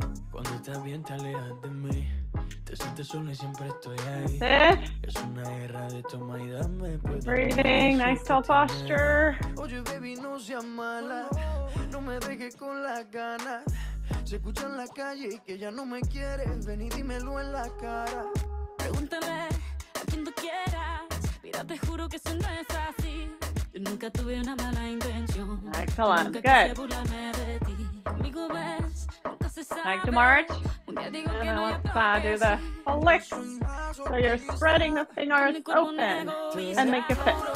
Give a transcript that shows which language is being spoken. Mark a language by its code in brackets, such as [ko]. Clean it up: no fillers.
[es] Cuando estás bien, te alejas de mí. Te sientes solo y siempre estoy ahí. Es una guerra de toma y dame. [en] Breathing, nice tall posture. [es] Oye, baby, no seas mala. No me dejes con las ganas. Se escucha en la calle que ya no me quieres. Ven y dímelo en la cara. Pregúntale a quien tú quieras. Mira, te juro que eso no es así. Yo nunca tuve una mala intención. [en] Excellent, good. [es] Amigo, ves. [en] Back to march. And then let's do the full lick. So you're spreading the fingers open and make it fit.